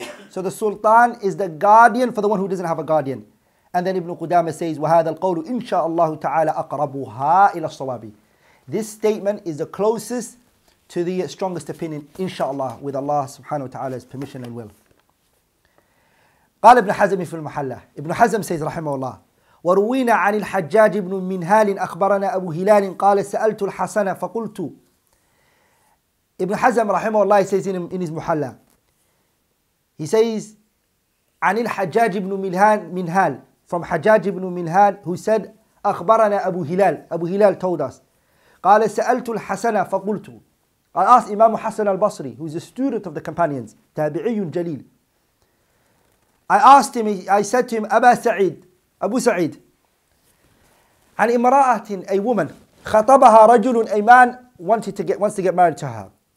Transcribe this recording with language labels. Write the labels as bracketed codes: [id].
[en] So the sultan is the guardian for the one who doesn't have a guardian. And then Ibn Qudama says, [ar] وَهَذَا الْقَوْلُ إِنْ شَاءَ اللَّهُ تَعَالَى أَقْرَبُهَا إِلَى الصَّوَابِ. [en] This statement is the closest to the strongest opinion, inshaAllah, with Allah subhanahu wa ta'ala's permission and will. [ar] قال ابن حزم في المحلة. ابن حزم says رحمه الله. وروينا عن الحجاج بن منهال أخبرنا أبو هلال قال سألت الحسن فقلت. ابن حزم رحمه الله [en] says in his [ar] محلة. He says عن الحجاج بن منهال, from حجاج بن منهال, [en] who said [ar] أخبرنا أبو هلال. أبو هلال [en] told us. [ar] قال سألت الحسن فقلت. [en] I asked Imam Hassan al-Basri, who is a student of the companions, تابعي جليل. I asked him, I said to him, Abu Sa'id, [ar] عن امراة, [en] a woman, [ar] خطبها رجل, [en] a man wants to get married to her.